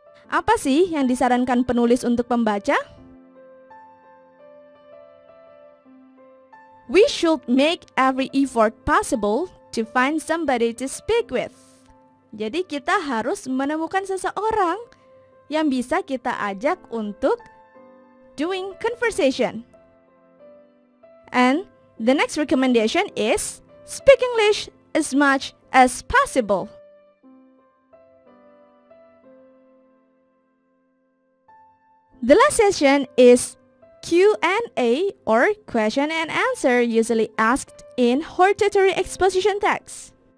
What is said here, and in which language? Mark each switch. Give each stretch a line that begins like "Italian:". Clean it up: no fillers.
Indonesian: Apa sih yang disarankan penulis untuk pembaca?
English: We should make every effort possible to find somebody to speak with.
Indonesian: Jadi kita harus menemukan seseorang yang bisa kita ajak untuk
English: doing conversation. And the next recommendation is speak English as much as possible. The last session is Q&A or question and answer usually asked in hortatory exposition text.